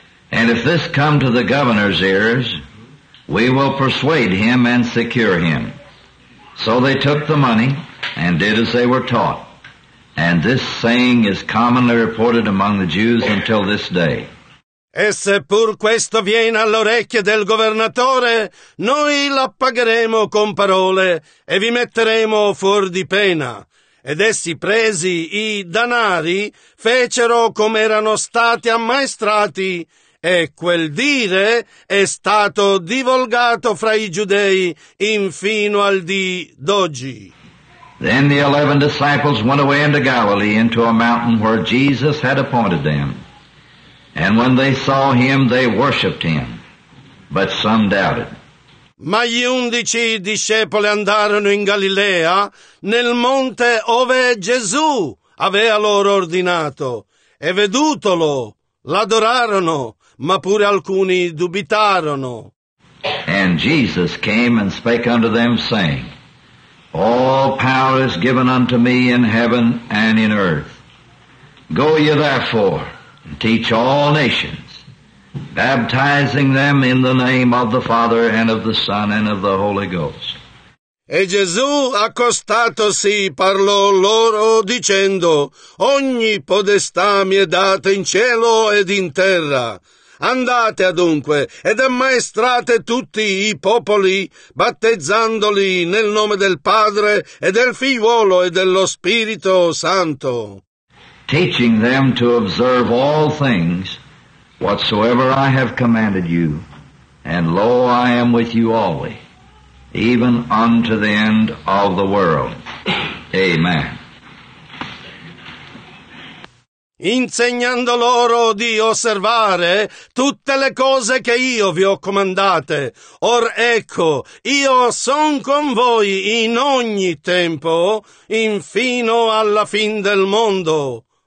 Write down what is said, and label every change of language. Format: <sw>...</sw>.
<en>And if this come to the governor's ears, we will persuade him and secure him. So they took the money and did as they were taught. And this saying is commonly reported among the Jews until this day.</en> <it>E se pur questo viene alle orecchie del governatore, noi la pagheremo con parole e vi metteremo fuor di pena. Ed essi presi i danari, fecero come erano stati ammaestrati, e quel dire è stato divulgato fra i giudei infino al dì d'oggi.</it> <en>Then the 11 disciples went away into Galilee, into a mountain where Jesus had appointed them. And when they saw him, they worshipped him, but some doubted.</en> <it>Ma gli 11 discepoli andarono in Galilea, nel monte ove Gesù aveva loro ordinato, e vedutolo, l'adorarono, ma pure alcuni dubitarono.</it> <en>And Jesus came and spake unto them, saying, All power is given unto me in heaven and in earth. Go ye therefore, and teach all nations, baptizing them in the name of the Father and of the Son and of the Holy Ghost.</en> <it>E Gesù, accostatosi, parlò loro, dicendo, Ogni podestà mi è data in cielo ed in terra. Andate adunque ed ammaestrate tutti i popoli, battezzandoli nel nome del Padre e del Figliuolo e dello Spirito Santo.</it> <en>Teaching them to observe all things whatsoever I have commanded you, and lo, I am with you always, even unto the end of the world. Amen.</en> <it>Insegnando loro di osservare tutte le cose che io vi ho comandate. Or ecco, io son con voi in ogni tempo, infino alla fin del mondo.</it>